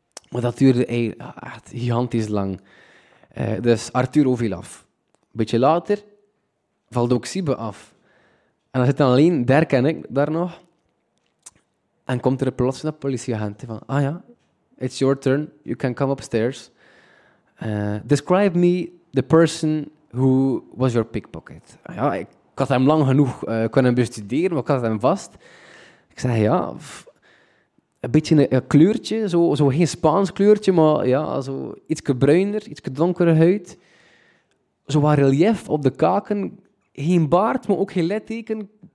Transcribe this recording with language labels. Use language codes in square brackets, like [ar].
[nl] Maar dat duurde echt gigantisch lang. Dus Arturo viel af. Een beetje later valt ook Sibbe af. En dan zitten alleen Dirk en ik daar nog. En komt er plots een politieagent van... [en] Ah ja, it's your turn. You can come upstairs. Describe me the person who was your pickpocket. [nl] Ik had hem lang genoeg kunnen bestuderen, maar ik had hem vast. Ik zei, ja, een beetje een kleurtje, zo geen Spaans kleurtje, maar ja, zo iets bruiner, iets donkere huid. Zo wat relief op de kaken, geen baard, maar ook geen litteken.